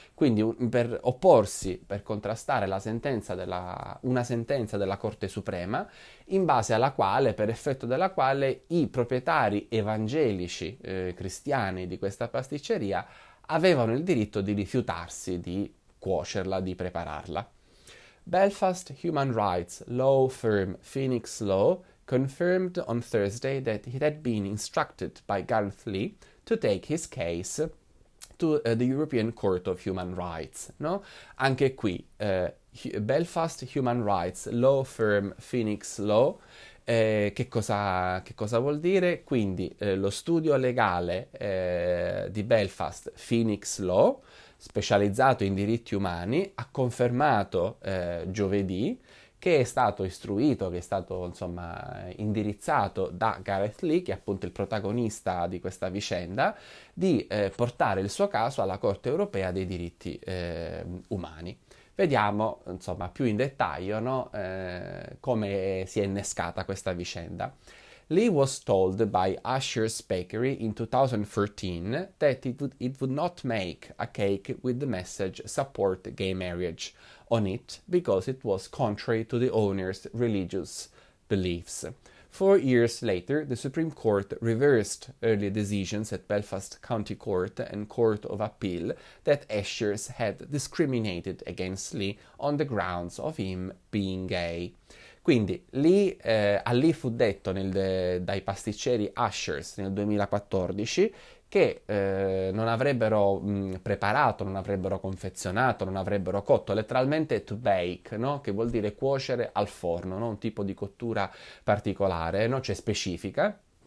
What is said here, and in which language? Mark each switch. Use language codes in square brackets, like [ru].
[it] Quindi per opporsi, per contrastare una sentenza della Corte Suprema, in base alla quale, per effetto della quale, i proprietari evangelici, cristiani di questa pasticceria avevano il diritto di rifiutarsi di cuocerla, di prepararla. [en] Belfast Human Rights Law Firm Phoenix Law confirmed on Thursday that he had been instructed by Gareth Lee to take his case to the European Court of Human Rights. [it] No? Anche qui, Belfast Human Rights Law Firm Phoenix Law. Che cosa vuol dire? Quindi, lo studio legale di Belfast, Phoenix Law, specializzato in diritti umani, ha confermato giovedì che è stato istruito, che è stato insomma indirizzato da Gareth Lee, che è appunto il protagonista di questa vicenda, di portare il suo caso alla Corte Europea dei diritti umani. Vediamo, insomma, più in dettaglio, no, come si è innescata questa vicenda. [en] Lee was told by Usher's Bakery in 2014 that it would not make a cake with the message "support gay marriage" on it because it was contrary to the owner's religious beliefs. 4 years later, the Supreme Court reversed earlier decisions at Belfast County Court and Court of Appeal that Eshers had discriminated against Lee on the grounds of him being gay. [it] Quindi, a Lee fu detto dai pasticceri Ushers nel 2014 che non avrebbero preparato, non avrebbero confezionato, non avrebbero cotto, letteralmente to bake, no? Che vuol dire cuocere al forno, no? Un tipo di cottura particolare, no? Cioè specifica.